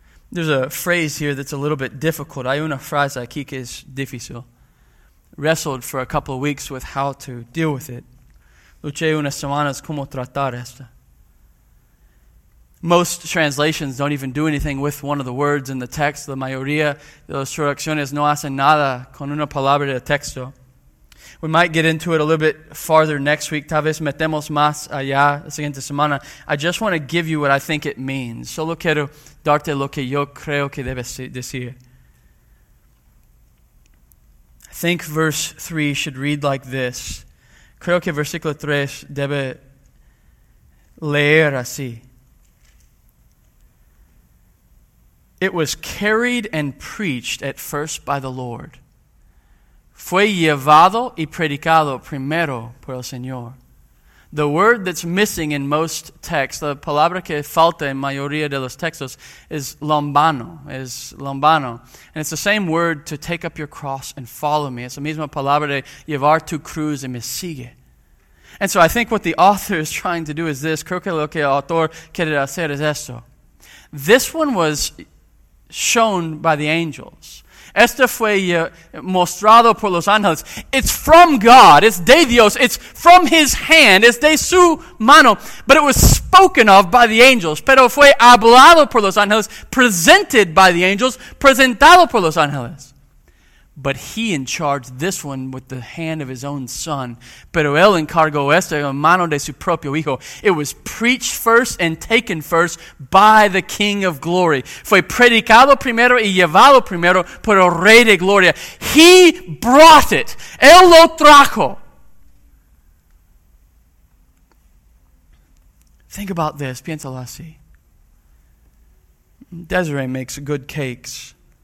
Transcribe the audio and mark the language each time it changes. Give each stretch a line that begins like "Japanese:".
English: There's a phrase here that's a little bit difficult.
Spanish: Hay una frase aquí que es difícil.
English: Wrestled for a couple of weeks with how to deal with it.
Spanish: Luché unas semanas cómo tratar esta.
English: Most translations don't even do anything with one of the words in the text.
Spanish: La mayoría de las traducciones no hacen nada con una palabra de texto.
English: We might get into it a little bit farther next week.
Spanish: Tal vez metemos más allá la siguiente semana.
English: I just want to give you what I think it means.
Spanish: Solo quiero darte lo que yo creo que debes decir.
English: I think verse 3 should read like this.
Spanish: Creo que versículo 3 debe leer así.
English: It was carried and preached at first by the Lord.
Spanish: Fue llevado y predicado primero por el Señor.
English: The word that's missing in most texts,
Spanish: la palabra que falta en mayoría de los textos,
English: is lambano. And it's the same word to take up your cross and follow me.
Spanish: Es la misma palabra de llevar tu cruz y me sigue.
English: And so I think what the author is trying to do is this.
Spanish: Creo que lo que el autor quiere hacer es esto.
English: This one was shown by the angels.
Spanish: Esto fue mostrado por los ángeles.
English: It's from God.
Spanish: It's de Dios.
English: It's from his hand. It's
Spanish: de su mano.
English: But it was spoken of by the angels.
Spanish: Pero fue hablado por los ángeles.
English: Presented by the angels.
Spanish: Presentado por los ángeles.
English: But he in charge this one with the hand of his own son.
Spanish: Pero él encargó esto en mano de su propio hijo.
English: It was preached first and taken first by the King of Glory.
Spanish: Fue predicado primero y llevado primero por el Rey de Gloria.
English: He brought it.
Spanish: Él lo trajo.
English: Think about this.
Spanish: Piénsalo así.
English: Desiree makes good cakes.